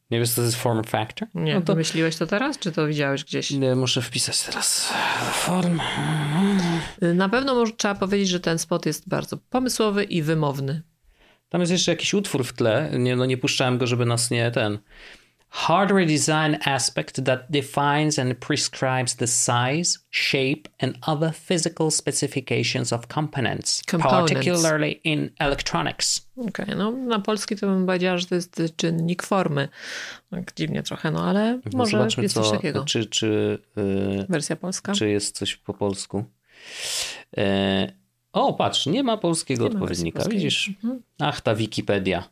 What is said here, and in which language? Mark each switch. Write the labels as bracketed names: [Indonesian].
[Polish] Nie wiesz, co to jest form factor? Nie, no to myśliłeś to teraz, czy to widziałeś gdzieś? Nie, muszę wpisać teraz form. Na pewno trzeba powiedzieć, że ten spot jest bardzo pomysłowy i wymowny. Tam jest jeszcze jakiś utwór w tle. Nie puszczałem go, żeby nas nie ten... [English] Hardware design aspect that defines and prescribes the size, shape and other physical specifications of components. Particularly in electronics. [Polish] Okej, okay, no na polski to bym powiedziała, że to jest czynnik formy. Tak dziwnie trochę, no ale no może jest coś takiego. Czy wersja polska? Czy jest coś po polsku? O, patrz, nie ma polskiego odpowiednika, widzisz? Mhm. Ach, ta Wikipedia.